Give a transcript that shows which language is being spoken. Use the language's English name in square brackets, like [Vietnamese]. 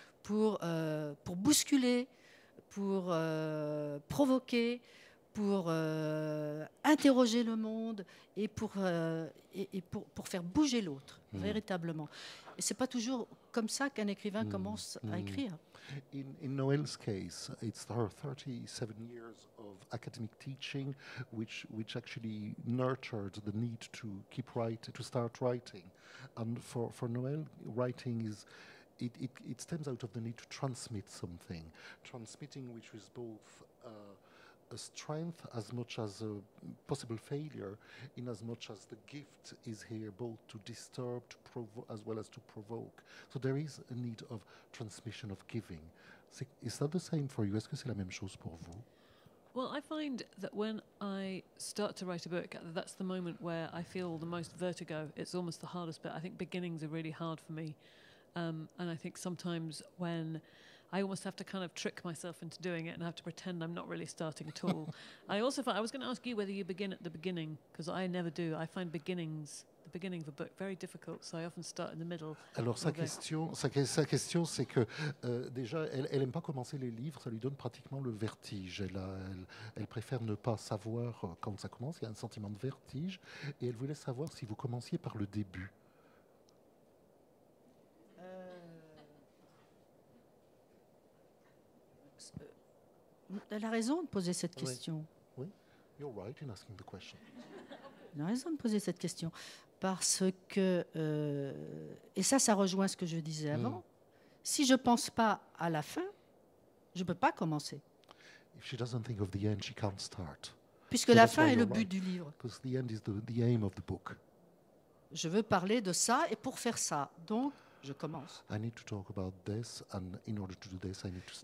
[French] Pour bousculer, pour provoquer, pour interroger le monde et pour faire bouger l'autre, véritablement. Et ce n'est pas toujours comme ça qu'un écrivain commence à écrire. [English] In Noelle's case, it's her 37 years of academic teaching, which actually nurtured the need to keep writing, to start writing. And for Noelle, writing is... It stems out of the need to transmit something, transmitting which is both a strength as much as a possible failure, in as much as the gift is here both to disturb, to as well as to provoke. So there is a need of transmission, of giving. Is that the same for you? [French] Est-ce que c'est la même chose pour vous? [English] Well, I find that when I start to write a book, that's the moment where I feel the most vertigo. It's almost the hardest bit. I think beginnings are really hard for me. And I think sometimes when I almost have to kind of trick myself into doing it and have to pretend I'm not really starting at all. I also thought I was going to ask you whether you begin at the beginning, because I never do. I find the beginning of a book very difficult, so I often start in the middle. [French] Alors sa question c'est que déjà elle aime pas commencer les livres, ça lui donne pratiquement le vertige. Elle préfère ne pas savoir quand ça commence. Il y a un sentiment de vertige et elle voulait savoir si vous commenciez par le début. La raison de poser cette question. [English] Oui, you're right in asking the question. [French] La raison de poser cette question, parce que, et ça rejoint ce que je disais avant, si je ne pense pas à la fin, je ne peux pas commencer. [English] If she doesn't think of the end, she can't start. [French] Puisque la fin est le but du livre. [English] Because the end is the aim of the book. [French] Je veux parler de ça et pour faire ça. Donc, je commence. [English] I need to talk about this, and in order to do this, I need to start.